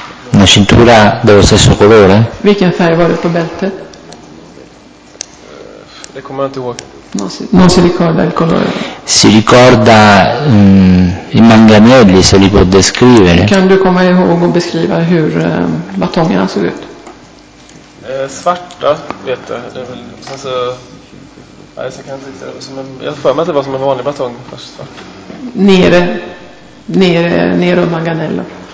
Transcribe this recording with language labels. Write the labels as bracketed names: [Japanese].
[Italian] Una cintura dello stesso colore? [Swedish] Vilken färg var det på bältet? Det kommer jag inte ihåg. [Italian] Non si ricorda il colore. Si ricorda i manganelli, se li può descrivere. [Swedish] Kan du komma ihåg och beskriva hur batongerna såg ut? Svarta, vet jag. Det är väl sen så. Nej, så kan jag inte. Jag för mig att det var som en vanlig batong först. [Italian] Nere av manganello.